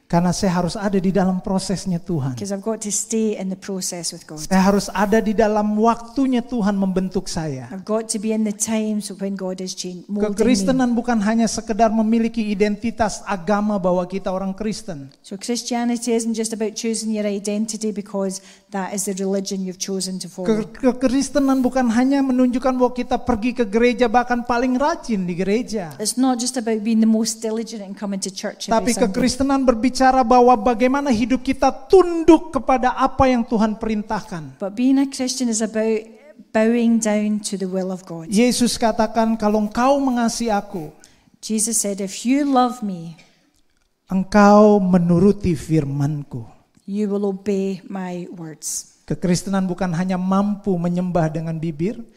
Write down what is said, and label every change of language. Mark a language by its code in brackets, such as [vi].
[id] Karena saya harus ada di dalam prosesnya Tuhan. [en] Because I've got to stay in the process with God. [id] Saya harus ada di dalam waktunya Tuhan membentuk saya. [en] I've got to be in the times when God is changing. [id] Kekristenan bukan hanya sekedar memiliki identitas agama bahwa kita orang Kristen. [en] So Christianity isn't just about choosing your identity because that is the religion you've chosen to follow. [id] Kekristenan bukan hanya menunjukkan bahwa kita pergi ke gereja bahkan paling rajin di gereja. [en] It's not just about being the most diligent in coming to church. [id] Tapi kekristenan berbicara bahwa bagaimana hidup kita tunduk kepada apa yang Tuhan perintahkan. [en] But being a Christian is about bowing down to the will of God. [id] Yesus katakan, kalau engkau mengasihi aku, [en] Jesus said, if you love me, [id] engkau menuruti firman-Ku. [en] You will obey my words. [id] Kekristenan bukan hanya mampu menyembah dengan bibir.